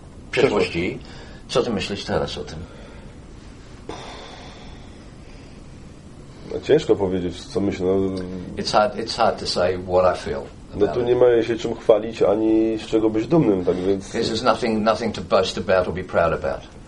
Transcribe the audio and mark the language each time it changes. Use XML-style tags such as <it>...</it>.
<pl>Przeszłości. Co ty myślisz teraz o tym? No, ciężko powiedzieć, co myślę.</pl> <en>It's hard to say what I feel.</en> <pl>No tu nie ma się czym chwalić, ani z czego być dumnym, tak więc.</pl> <en>There's nothing to boast about or be proud about.</en>